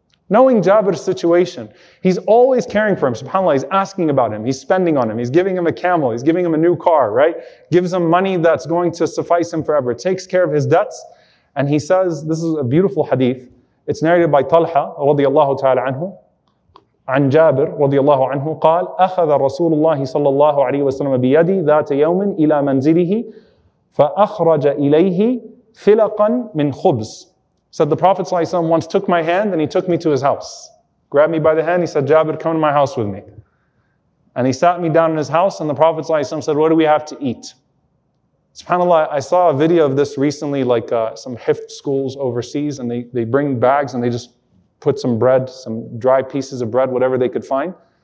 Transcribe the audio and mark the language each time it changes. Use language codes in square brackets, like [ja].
[en] Knowing Jabir's situation, he's always caring for him. SubhanAllah, he's asking about him. He's spending on him. He's giving him a camel. He's giving him a new car, right? Gives him money that's going to suffice him forever. Takes care of his debts. And he says, this is a beautiful hadith. It's narrated by Talha, radiallahu ta'ala anhu. [ar] عن جابر رضي الله عنه قال أخذ رسول الله صلى الله عليه وسلم بيدي ذات يوم إلى منزله فأخرج إليه فلقا من خبز. [en] Said the Prophet صلى الله عليه وسلم once took my hand and he took me to his house. Grabbed me by the hand, he said, Jabir, come to my house with me. And he sat me down in his house and the Prophet صلى الله عليه وسلم said, what do we have to eat? SubhanAllah, I saw a video of this recently, like some hift schools overseas, and they bring bags and they just put some bread, some dry pieces of bread, whatever they could find.